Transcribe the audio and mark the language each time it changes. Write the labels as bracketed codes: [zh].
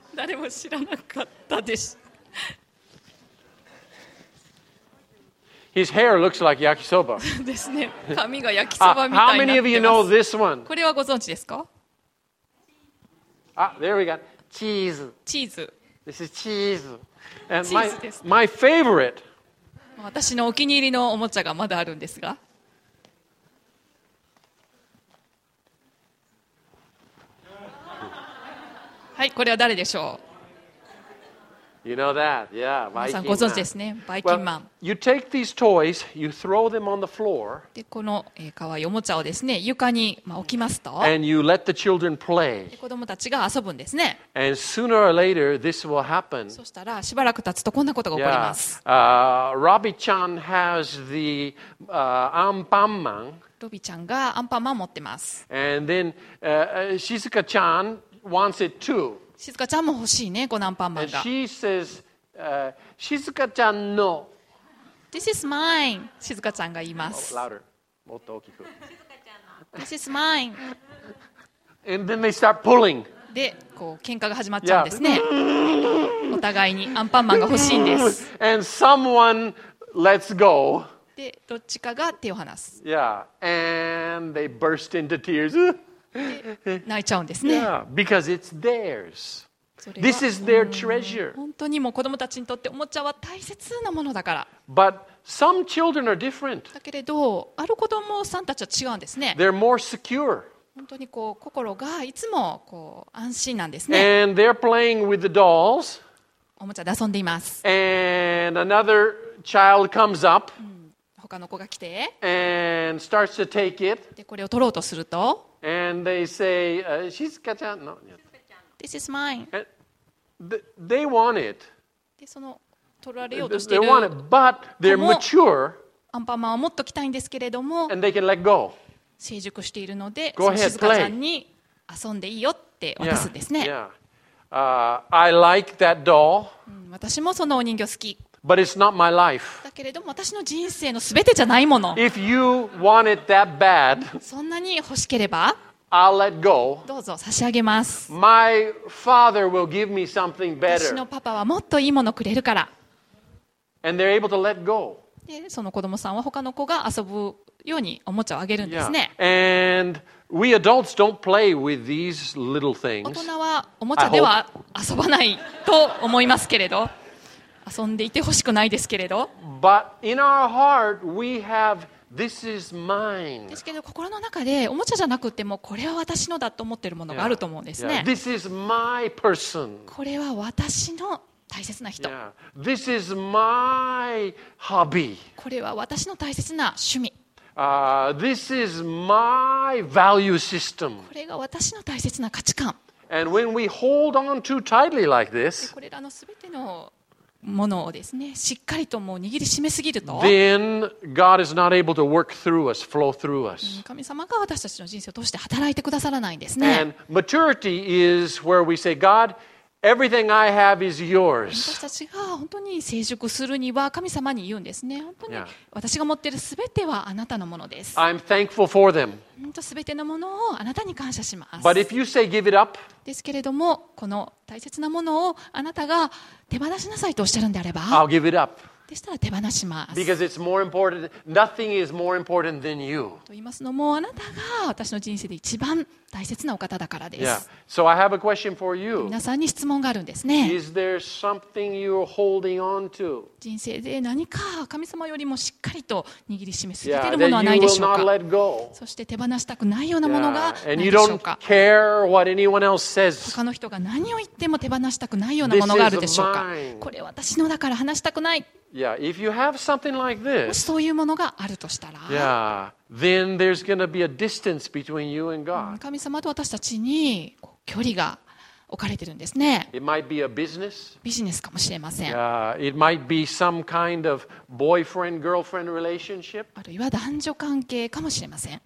[ja] 誰も知らなかったです。 [en] His hair looks like yakisoba. [ja] ですね。髪が焼きそばみたいになってます。 [en] How many of you know this one? [ja] これはご存知ですか? [en] There we go. Cheese. Cheese. This is cheese. And my favorite. [ja] 私のお気に入りのおもちゃがまだあるんですが。はい、これは誰でしょう。 [en] You know that. Yeah, [ja] 皆さんご存知ですね、バイキンマン。 [en] Well, you take these toys, you throw them on the floor, [ja] で、この可愛いおもちゃをですね、床に、まあ、置きますと、 [en] and you let the children play. [ja] で、子供たちが遊ぶんですね。 [en] And sooner or later, this will happen. [ja] そしたらしばらく経つとこんなことが起こります。 [en] Yeah. Robbie-chan has the Anpanman. [ja] ロビちゃんがアンパンマン持ってます。 [en] And then Shizuka-chan wants it too. [ja] 静香ちゃんも欲しいね、このアンパンマンが。 [en] She says, [ja] 静香ちゃんの。 [en] This is mine. [ja] 静香ちゃんが言います。 [en] Oh, louder. [ja] もっと大きく。 [en] This is mine. And then they start pulling. [ja] で、こう、喧嘩が始まっちゃうんですね。Yeah. お互いにアンパンマンが欲しいんです。 [en] And someone lets go. [ja] で、どっちかが手を離す。 [en] Yeah. And they burst into tears. [ja] 泣いちゃうんですね。 [en] Yeah, because it's theirs. This is their treasure. [ja] 本当にもう子供たちにとっておもちゃは大切なものだから。 [en] But some children are different. [ja] だけれど、ある子供さんたちは違うんですね。 [en] They're more secure. [ja] 本当にこう心がいつもこう安心なんですね。 [en] And they're playing with the dolls. [ja] おもちゃで遊んでいます。 [en] And another child comes up. [ja] 他の子が来て。 [en] And starts to take it. [ja] でこれを取ろうとすると。 [en] And they say, Shizuka-chan, no. This is mine. They want it. [ja] で、その、取られようとしている [en] 。 They want it, but they're mature. [ja] アンパンマンを持っときたいんですけれども。 [en] And they can let go. [ja] 成熟しているので、Shizuka-chanに遊んでいいよって渡すんですね。 [en] Yeah. I like that doll. [ja] 私もそのお人形好き。 [en] But it's not my life. [ja] だけれども私の人生のすべてじゃないもの。 [en] If you want it that bad, [ja] そんなに欲しければ、 [en] I'll let go. [ja] どうぞ差し上げます。 [en] My father will give me something better. [ja] 私のパパはもっといいものくれるから。 [en] And they're able to let go. [ja] で、その子供さんは他の子が遊ぶようにおもちゃをあげるんですね。 [en] Yeah. And we adults don't play with these little things. [ja] 大人はおもちゃでは遊ばないと思いますけれど。遊んでいてほしくないですけれど。 [en] But in our heart, we have, this is mine. [ja] ですけど心の中でおもちゃじゃなくてもこれは私のだと思っているものがあると思うんですね。 [en] Yeah. This is my person. [ja] これは私の大切な人。 [en] Yeah. This is my hobby. [ja] これは私の大切な趣味。 [en] This is my value system. [ja] これが私の大切な価値観。 [en] And when we hold on too tightly like this, [ja] これらのすべてのものをですね、しっかりともう握りしめすぎると、 [en] Then God is not able to work through us, flow through us. [ja] 神様が私たちの人生を通して働いてくださらないんですね。 [en] And maturity is where we say, God, everything I have is yours. [ja] 私たちが本当に成熟するには神様に言うんですね。本当に私が持っているすべてはあなたのものです。 [en] I'm thankful for them. [ja] 本当すべてのものをあなたに感謝します。 [en] But if you say, give it up. [ja] ですけれども、この大切なものをあなたが手放しなさいとおっしゃるんであれば、 [en] I'll give it up. [ja] でしたら手放します。 [en] Because it's more important. Nothing is more important than you. [ja] と言いますのも、あなたが私の人生で一番大切なお方だからです。 [en] Yeah. So I have a question for you. [ja] 皆さんに質問があるんですね。 [en] Is there something you're holding on to? [ja] 人生で何か神様よりもしっかりと握りしめすぎているものはないでしょうか。 [en] Yeah. That you will not let go. [ja] そして手放したくないようなものがないでしょうか。 [en] And you don't care what anyone else says. [ja] 他の人が何を言っても手放したくないようなものがあるでしょうか。これ私のだから話したくない。 [en] Yeah. If you have something like this, [ja] もしそういうものがあるとしたら、 [en] Yeah. Then there's going to be a distance between you and God. [ja] 神様と私たちに距離が置かれてるんですね。 [en] It might be a business. [ja] ビジネスかもしれません。 [en] It might be some kind of boyfriend-girlfriend relationship. [ja] あるいは男女関係かもしれません。